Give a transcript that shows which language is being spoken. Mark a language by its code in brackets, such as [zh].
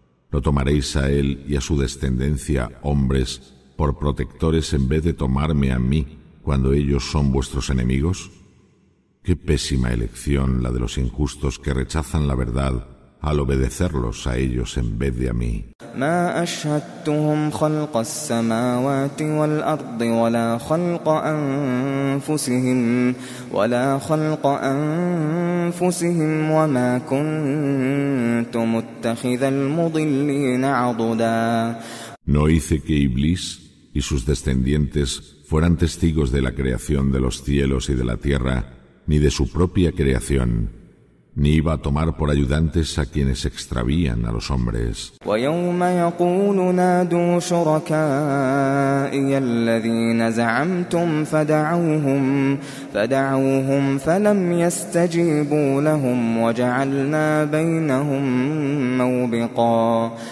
[es] Lo tomaréis a él y a su descendencia, hombres, por protectores en vez de tomarme a mí, cuando ellos son vuestros enemigos. ¡Qué pésima elección la de los injustos que rechazan la verdad al obedecerlos a ellos en vez de a mí. [ar] ما أشهدتهم خلق السماوات والأرض ولا خلق أنفسهم وما كنت متخذ المضلين عضدا. [es] No hice que Iblis y sus descendientes fueran testigos de la creación de los cielos y de la tierra, ni de su propia creación, ni iba a tomar por ayudantes a quienes extravían a los hombres. [ar] وَيَوْمَ يَقُولُ نَادُوا شُرَكَائِيَ الَّذِينَ زَعَمْتُمْ فَدَعَوْهُمْ فَلَمْ يَسْتَجِيبُوا لَهُمْ وَجَعَلْنَا بَيْنَهُمْ مَوْبِقًا.